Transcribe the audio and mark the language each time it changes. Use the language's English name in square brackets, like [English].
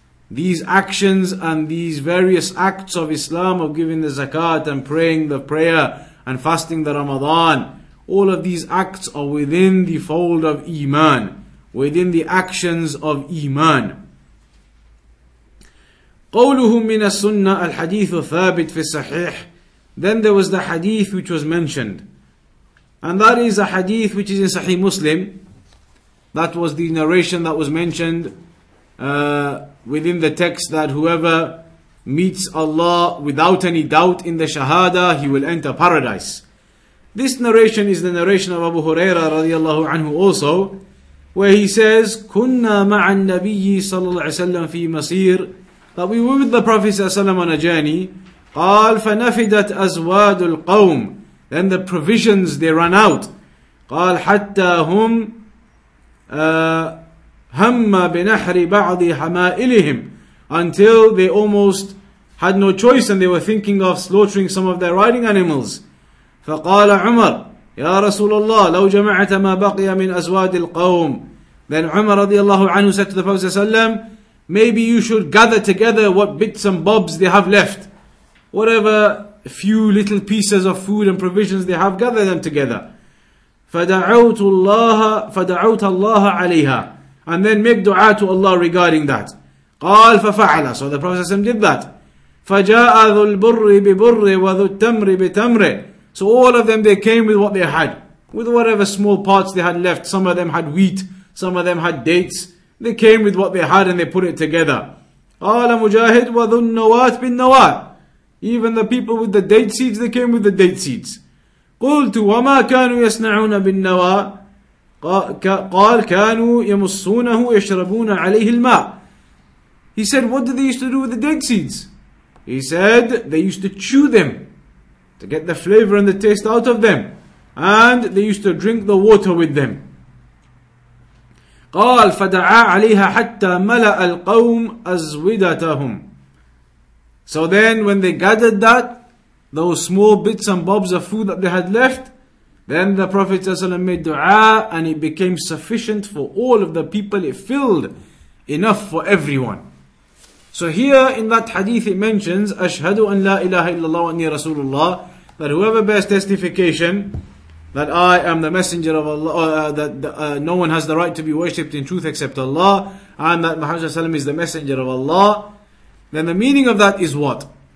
[English] These actions and these various acts of Islam of giving the zakat and praying the prayer and fasting the Ramadan, all of these acts are within the fold of Iman, within the actions of Iman. [Arabic] قولهم من السنة الحديث ثابت في الصحيح. [English] Then there was the hadith which was mentioned. And that is a hadith which is in Sahih Muslim. That was the narration that was mentioned within the text that whoever meets Allah without any doubt in the Shahaadah, he will enter paradise. This narration is the narration of Abu Huraira radiallahu anhu also, where he says, [Arabic] "Kunna ma'a an-nabiyyi sallallahu alayhi wa sallam fi masir," [English] that we were with the Prophet sallallahu alayhi wa sallam on a journey. [Arabic] قال فنفدت أزواد القوم. [English] Then the provisions, they run out. [Arabic] قال حتى هم هَمَّ بِنَحْرِ بَعْضِ حَمَائِلِهِمْ. [English] Until they almost had no choice and they were thinking of slaughtering some of their riding animals. [Arabic] فَقَالَ عُمَرْ يَا رَسُولَ اللَّهِ لَوْ جَمَعْتَ مَا بَقِيَ مِنْ أَزْوَادِ الْقَوْمِ. [English] Then Umar رضي الله عنه said to the Prophet صلى الله عليه وسلم, maybe you should gather together what bits and bobs they have left. Whatever few little pieces of food and provisions they have, gather them together. [Arabic] فَدَعَوْتُ اللَّهَ عَلَيْهَا. [English] And then make dua to Allah regarding that. [Arabic] قال ففعل. [English] So the Prophet ﷺ did that. [Arabic] فجاء ذو البر ببر وذو التمر بتمر. [English] So all of them, they came with what they had. With whatever small parts they had left. Some of them had wheat. Some of them had dates. They came with what they had and they put it together. [Arabic] قال مجاهد وذو النوات بالنوات. [English] Even the people with the date seeds, they came with the date seeds. [Arabic] قلت وما كانوا يصنعون بالنوى. قال كانوا يمصونه يشربون عليه الماء. [English] He said, what did they used to do with the date seeds? He said, they used to chew them to get the flavor and the taste out of them. And they used to drink the water with them. [Arabic] قال فدعا عليها حتى ملأ القوم أزودتهم. [English] So then when they gathered that, those small bits and bobs of food that they had left, then the Prophet ﷺ made dua and it became sufficient for all of the people. It filled enough for everyone. So here in that hadith it mentions, [Arabic] أشهد أن لا إله إلا الله وأني رسول الله, [English] that whoever bears testification that I am the messenger of Allah, no one has the right to be worshipped in truth except Allah, and that Muhammad ﷺ is the messenger of Allah, then the meaning of that is what?